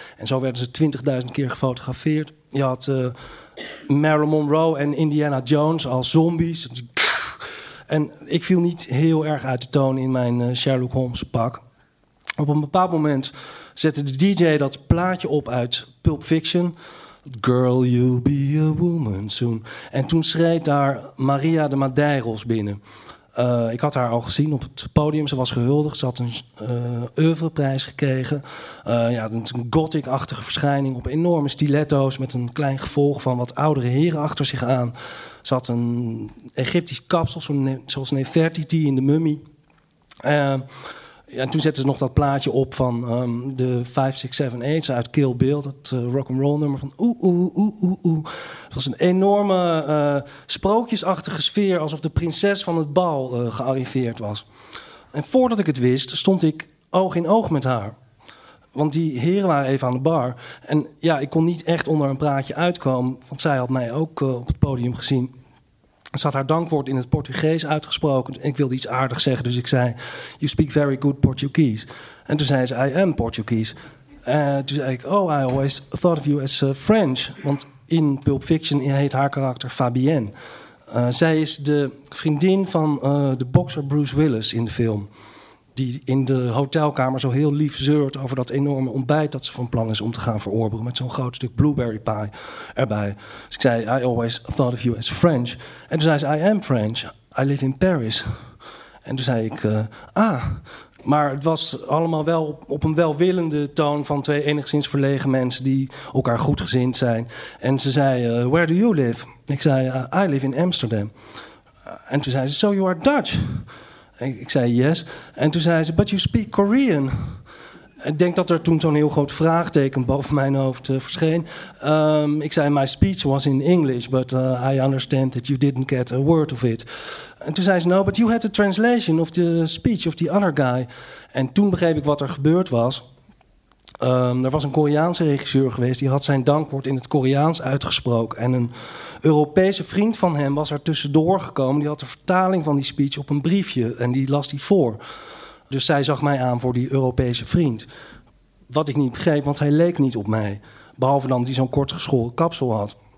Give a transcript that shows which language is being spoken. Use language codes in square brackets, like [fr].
[nl] En zo werden ze 20.000 keer gefotografeerd. Je had Marilyn Monroe en Indiana Jones als zombies. En ik viel niet heel erg uit de toon in mijn Sherlock Holmes pak. Op een bepaald moment zette de DJ dat plaatje op uit Pulp Fiction. [en] Girl, you'll be a woman soon. [nl] En toen schreed daar Maria de Madeiros binnen. Ik had haar al gezien op het podium. Ze was gehuldigd. Ze had een oeuvreprijs gekregen. Een gothic-achtige verschijning op enorme stiletto's... met een klein gevolg van wat oudere heren achter zich aan. Ze had een Egyptisch kapsel, zoals Nefertiti in de Mummy. En toen zette ze nog dat plaatje op van de 5678 uit Kill Bill. Dat rock'n'roll nummer van oeh, oeh, oeh, oeh, oeh. Het was een enorme sprookjesachtige sfeer. Alsof de prinses van het bal gearriveerd was. En voordat ik het wist, stond ik oog in oog met haar. Want die heren waren even aan de bar. En ja, ik kon niet echt onder een praatje uitkomen. Want zij had mij ook op het podium gezien. Ze had haar dankwoord in het Portugees uitgesproken. En ik wilde iets aardigs zeggen, dus ik zei... [en] You speak very good Portuguese. [nl] En toen zei ze, [en] I am Portuguese. [nl] Toen zei ik, [en] oh, I always thought of you as French. [nl] Want in Pulp Fiction heet haar karakter Fabienne. Zij is de vriendin van de bokser Bruce Willis in de film. Die in de hotelkamer zo heel lief zeurt over dat enorme ontbijt... dat ze van plan is om te gaan verorberen... met zo'n groot stuk blueberry pie erbij. Dus ik zei, [en] I always thought of you as French. [nl] En toen zei ze, [en] I am French. I live in Paris. [nl] En toen zei ik, Maar het was allemaal wel op een welwillende toon... van twee enigszins verlegen mensen die elkaar goedgezind zijn. En ze zei, [en] where do you live? [nl] Ik zei, [en] I live in Amsterdam. [nl] En toen zei ze, [en] so you are Dutch? [nl] Ik zei yes. En toen zei ze, [en] but you speak Korean. [nl] Ik denk dat er toen zo'n heel groot vraagteken boven mijn hoofd verscheen. Ik zei, [en] my speech was in English, but I understand that you didn't get a word of it. [nl] En toen zei ze, [en] no, but you had the translation of the speech of the other guy. [nl] En toen begreep ik wat er gebeurd was. Er was een Koreaanse regisseur geweest, die had zijn dankwoord in het Koreaans uitgesproken. En een Europese vriend van hem was er tussendoor gekomen, die had de vertaling van die speech op een briefje en die las die voor. Dus zij zag mij aan voor die Europese vriend. Wat ik niet begreep, want hij leek niet op mij, behalve dan dat hij zo'n kortgeschoren kapsel had.